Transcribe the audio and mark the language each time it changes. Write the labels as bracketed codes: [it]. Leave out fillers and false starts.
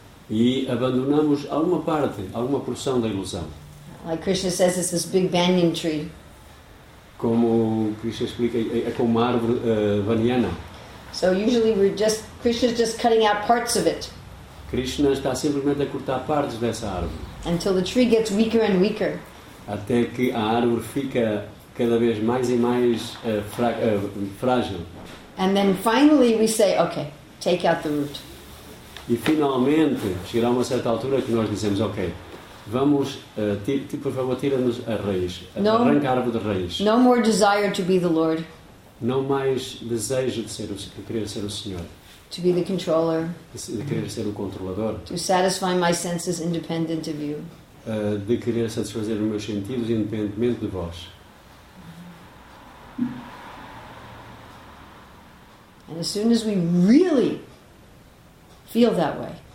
[pt] E abandonamos alguma parte, alguma porção da ilusão. [en] Like Krishna says, it's this big banyan tree. [pt] Como Krishna explica, é como uma árvore baniana. [en] So usually Krishna is just cutting out parts of it. [pt] Krishna está simplesmente a cortar partes dessa árvore. [en] Until the tree gets weaker and weaker. [pt] Até que a árvore fica cada vez mais e mais frágil. [en] And then finally we say, okay, take out the root. [pt] E finalmente chegará uma certa altura que nós dizemos, ok, vamos, por favor, tira-nos a raiz. Arranca a árvore de raiz. [en] No more desire to be the Lord. [pt] Não mais desejo de querer ser o Senhor. [en] To be the controller. [pt] De querer ser o controlador. [en] To satisfy my senses independent of you. [pt] De querer satisfazer os meus sentidos independentemente de vós. [en] And as soon as we really feel that way.